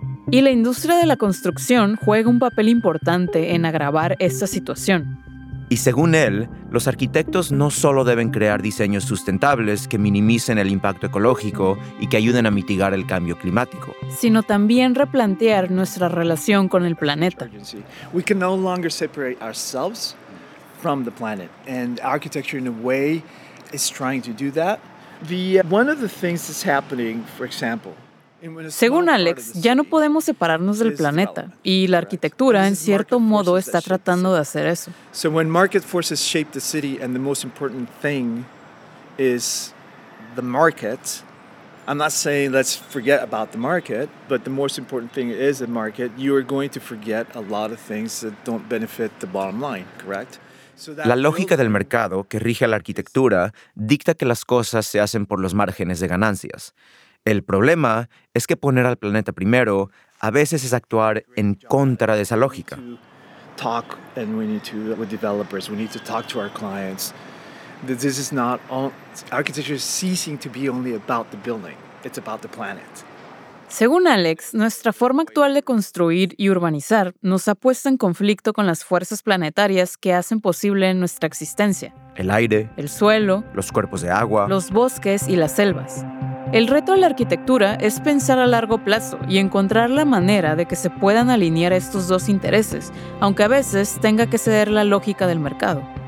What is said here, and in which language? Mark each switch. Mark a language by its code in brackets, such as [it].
[es] Y la industria de la construcción juega un papel importante en agravar esta situación. Y según él, los arquitectos no solo deben crear diseños sustentables que minimicen el impacto ecológico y que ayuden a mitigar el cambio climático, sino también replantear nuestra relación con el planeta. [en] We can no longer separate ourselves from the planet, and architecture in a way is trying to do that. One of the things that's happening, for example, [es] según Alex, ya no podemos separarnos del planeta, y la arquitectura, en cierto modo, está tratando de hacer eso. [en] So when market forces shape the city and the most important thing is the market, I'm not saying let's forget about the market, but the most important thing is the market, you are going to forget a lot of things that don't benefit the bottom line, correct? [es] La lógica del mercado que rige a la arquitectura dicta que las cosas se hacen por los márgenes de ganancias. El problema es que poner al planeta primero a veces es actuar en contra de esa lógica. [en] Talk and we need to with developers, we need to talk to our clients. This is not all, architecture is ceasing to be only about the building. It's about the planet. [es] Según Alex, nuestra forma actual de construir y urbanizar nos ha puesto en conflicto con las fuerzas planetarias que hacen posible nuestra existencia. El aire, el suelo, los cuerpos de agua, los bosques y las selvas. El reto de la arquitectura es pensar a largo plazo y encontrar la manera de que se puedan alinear estos dos intereses, aunque a veces tenga que ceder la lógica del mercado.